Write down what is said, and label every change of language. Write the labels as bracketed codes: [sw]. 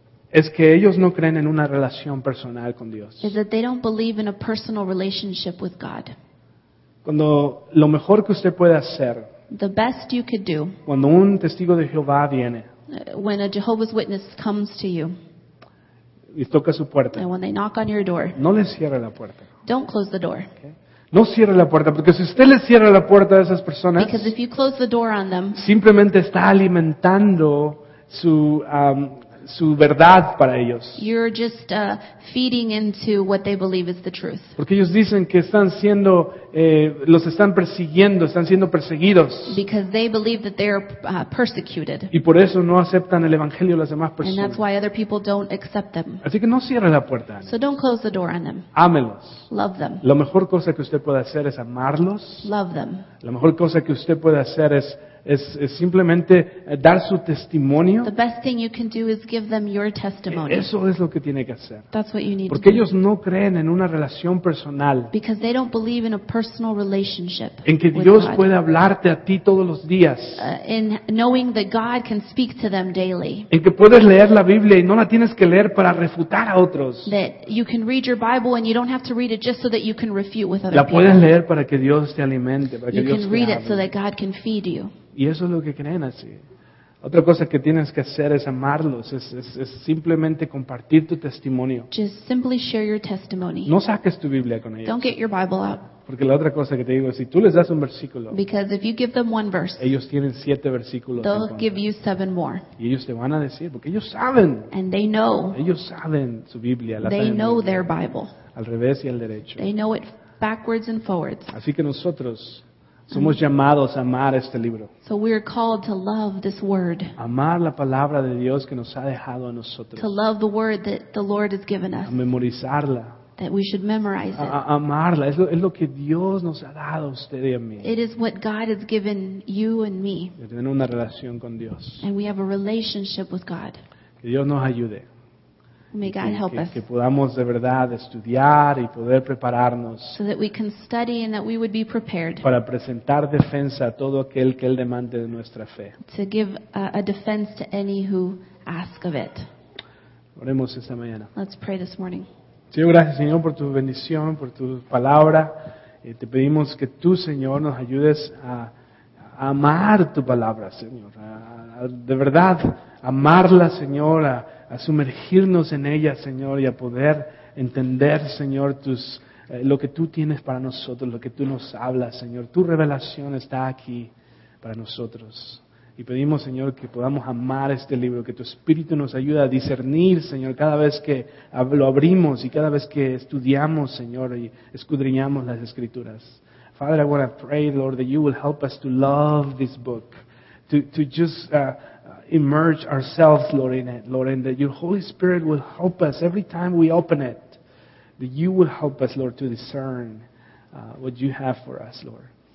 [es] Es que ellos no creen en una relación personal con Dios. [en] Is that they don't believe in a personal relationship with God. [es] Cuando lo mejor que usted puede hacer. [en] The best you could do. [es] Cuando un testigo de Jehová viene. [en] When a Jehovah's Witness comes to you. [es] Y toca su puerta. [en] And when they knock on your door. [es] No le cierre la puerta. [en] Don't close the door. Okay. [es] No cierre la puerta, porque si usted le cierra la puerta a esas personas. [en] Because if you close the door on them. [es] Simplemente está alimentando su su verdad para ellos. [en] You're just feeding into what they believe is the truth. [es] Porque ellos dicen que están siendo los están persiguiendo, están siendo perseguidos. [en] Because they believe that they are persecuted. [es] Y por eso no aceptan el evangelio las demás personas. [en] And that's why other people don't accept them. [es] Así que no cierre la puerta. [en] So don't close the door on them. [es] Ámelos. [en] Love them. [es] La mejor cosa que usted puede hacer es amarlos. [en] Love them. [es] La mejor cosa que usted puede hacer es simplemente dar su testimonio. [en] The best thing you can do is give them your testimony. [es] Eso es lo que tiene que hacer. [en] That's what you need. [es] Porque ellos no creen en una relación personal. [en] Because they don't believe in a personal relationship. [es] En que Dios puede hablarte a ti todos los días. [en] In knowing that God can speak to them daily. [es] En que puedes leer la Biblia y no la tienes que leer para refutar a otros. [en] That you can read your Bible and you don't have to read it just so that you can refute with other people. [es] La puedes leer para que Dios te alimente, para que Dios te hable. [en] You can read it so that God can feed you. [es] Y eso es lo que creen así. Otra cosa que tienes que hacer es amarlos, es simplemente compartir tu testimonio. [en] Just simply share your testimony. [es] No saques tu Biblia con ellos. [en] Don't get your Bible out. [es] Porque la otra cosa que te digo es, si tú les das un versículo, [en] because if you give them one verse, [es] ellos tienen siete versículos. [en] They'll give you seven more. [es] Y ellos te van a decir, porque ellos saben. [en] And they know. [es] Ellos saben su Biblia. La [en] they know [es] Biblia, [en] their Bible. [es] Al revés y al derecho. [en] They know it backwards and forwards. [es] Así que nosotros somos llamados a amar este libro. [en] So we are called to love this word. [es] Amar la palabra de Dios que nos ha dejado a nosotros. [en] To love the word that the Lord has given us. [es] A memorizarla. [en] That we should memorize it. [es] A amarla. Es lo que Dios nos ha dado a usted y a mí. [en] It is what God has given you and me. [es] De tener una relación con Dios. [en] And we have a relationship with God. [es] Que Dios nos ayude. [en] May God help us. [es] Que podamos de verdad estudiar y poder prepararnos. [en] So that we can study and that we would be prepared. [es] Para presentar defensa a todo aquel que Él demande de nuestra fe. [en] To give a defense to any who ask of it. [es] Oremos esta mañana. [en] Let's pray this morning. [es] Señor, gracias, Señor, por tu bendición, por tu palabra. Te pedimos que tú, Señor, nos ayudes a amar tu palabra, Señor. De verdad, amarla, Señor, a sumergirnos en ella, Señor, y a poder entender, Señor, lo que tú tienes para nosotros, lo que tú nos hablas, Señor. Tu revelación está aquí para nosotros. Y pedimos, Señor, que podamos amar este libro, que tu Espíritu nos ayude a discernir, Señor, cada vez que lo abrimos y cada vez que estudiamos, Señor, y escudriñamos las Escrituras. [en] Father, I want to pray, Lord, that you will help us to love this book, to just immerse ourselves, Lord, in it, Lord, and that your Holy Spirit will help us every time we open it, that you will help us, Lord, to discern what you have for us, Lord.